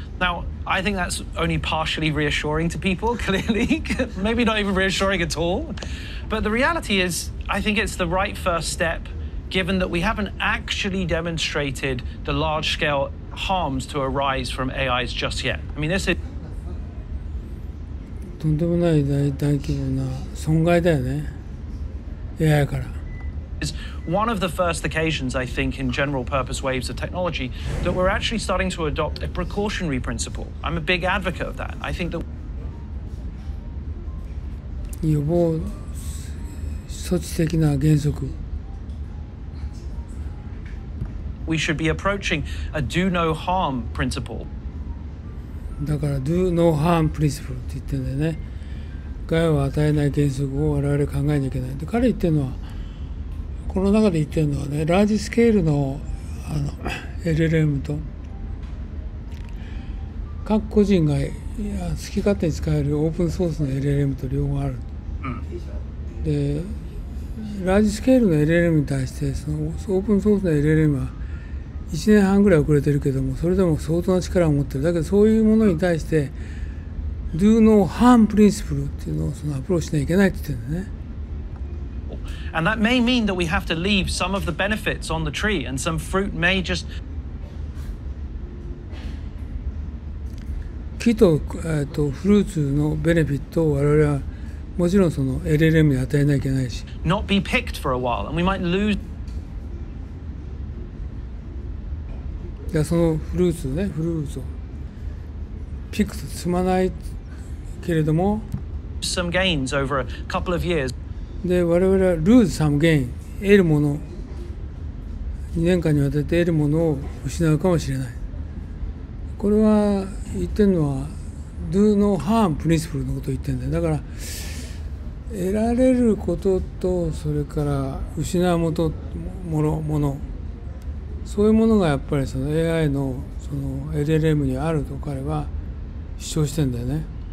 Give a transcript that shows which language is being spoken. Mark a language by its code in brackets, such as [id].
[en] Now, I think that's only partially reassuring to people, clearly, maybe not even reassuring at all. But the reality is, I think it's the right first step, given that we haven't actually demonstrated the large-scale harms to arise from AIs just yet. I mean, this is... [ja] とんでもない大規模な損害だよね、AIから。 [en] Is one of the first occasions, I think, in general purpose waves of technology that we're actually starting to adopt a precautionary principle. I'm a big advocate of that. I think that [ja] 予防措置的な原則 [en] we should be approaching a do no harm principle. [ja] だから [en] do no harm principle [ja] って言ってるんだよね。害を与えない原則を我々考えなきゃいけない。で、彼言ってるのはこの中で言ってるのはね、ラージスケールの、あの LLM と各個人が好き勝手に使えるオープンソースの LLM と両方ある。うん、で、ラージスケールの LLM に対してそのオープンソースの LLM は1年半ぐらい遅れてるけども、それでも相当な力を持ってる。だけどそういうものに対して、 [en] Do no harm principle [ja] っていうのをそのアプローチしなきゃいけないって言ってるんだね。 [en] And that may mean that we have to leave some of the benefits on the tree, and some fruit may just [ja] 木と、フルーツのベネフィットを我々はもちろんその LLM に与えなきゃいけないし [en] not be picked for a while, and we might lose [ja] いやそのフルーツね、フルーツをピックと積まないけれども [en] some gains over a couple of years. [ja] で我々はルーズサムゲイン得るもの2年間にわたって得るものを失うかもしれないこれは言ってるのは [en] Do no harm principle [ja] のことを言ってるんだよだから得られることとそれから失うもと ものそういうものがやっぱりその AI の、 その LLM にあると彼は主張してるんだよね